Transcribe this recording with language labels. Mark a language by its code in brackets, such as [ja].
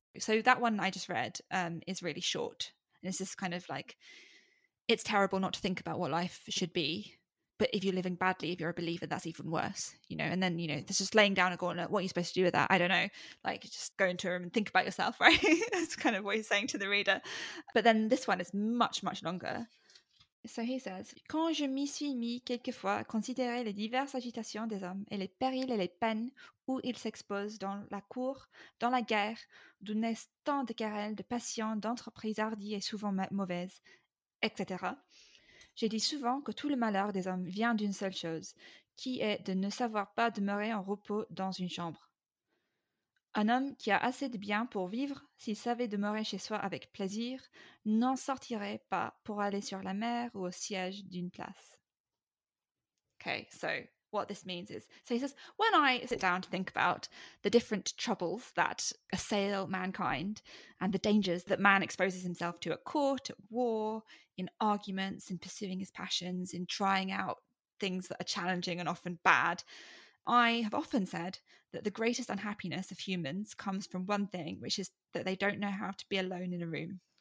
[en] So that one I just read is really short. And it's just kind of like, it's terrible not to think about what life should be. But if you're living badly, if you're a believer, that's even worse, you know. And then, you know, it's just laying down a gauntlet. What are you supposed to do with that? I don't know. Like, just go into a room and think about yourself, right? That's kind of what he's saying to the reader. But then this one is much, much longer. So he says, [fr] quand je m'y suis mis quelquefois à considérer les diverses agitations des hommes et les périls et les peines où ils s'exposent dans la cour, dans la guerre, d'où naissent tant de querelles, de passions, d'entreprises hardies et souvent mauvaises, etc. J'ai dit souvent que tout le malheur des hommes vient d'une seule chose, qui est de ne savoir pas demeurer en repos dans une chambre. Un homme qui a assez de bien pour vivre, s'il savait demeurer chez soi avec plaisir, n'en sortirait pas pour aller sur la mer ou au siège d'une place. [en] Okay, so what this means is, so he says, when I sit down to think about the different troubles that assail mankind and the dangers that man exposes himself to at court, at war, in arguments, in pursuing his passions, in trying out things that are challenging and often bad, I have often said that the greatest unhappiness of humans comes from one thing, which is that they don't know how to be alone in a room.